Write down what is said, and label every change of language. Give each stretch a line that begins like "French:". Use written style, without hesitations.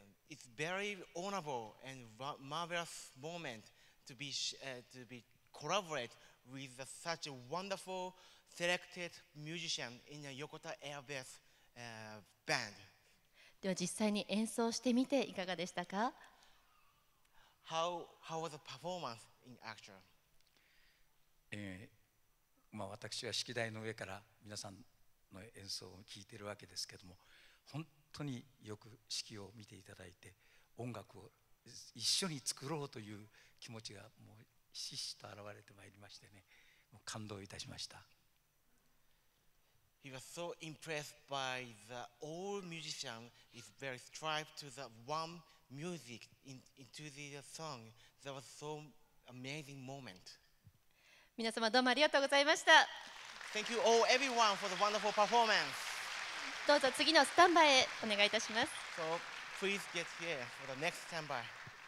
English: It's very honorable and marvelous moment to be collaborate with such a wonderful selected musician in the Yokota Air Base band.
Japanese: では実際に演奏してみていかがでしたか。
English: How was the performance in actual?
Japanese: まあ私は指揮台の上から皆さんの演奏を聞いているわけですけども、本当によく指揮を見ていただいて、音楽を一緒に作ろうという気持ちがもうひしひしと現れてまいりましてね、もう感動いたしました。
English: He was so impressed by the old musician is very strived to the one music into the song. That was so amazing moment.
Japanese: 皆様どうもありがとうございました。
English: Thank you all everyone for the wonderful performance.
Japanese: どうぞ次のスタンバイへお願いいたします。
English: So, please get here for the next standby.